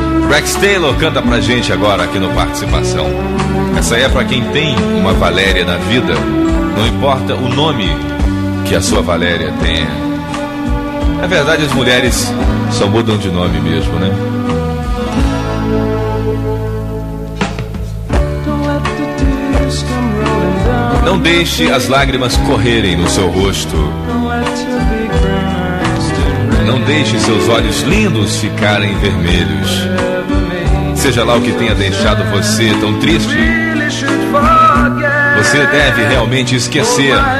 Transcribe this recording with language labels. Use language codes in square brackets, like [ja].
[pt] Rex Taylor canta pra gente agora aqui no Participação. Essa aí é pra quem tem uma Valéria na vida, não importa o nome que a sua Valéria tenha. Na verdade, as mulheres só mudam de nome mesmo, né? [en] Don't let the tears come rolling down. [pt] Não deixe as lágrimas correrem no seu rosto. Não deixe seus olhos lindos ficarem vermelhos. Seja lá o que tenha deixado você tão triste, você deve realmente esquecer.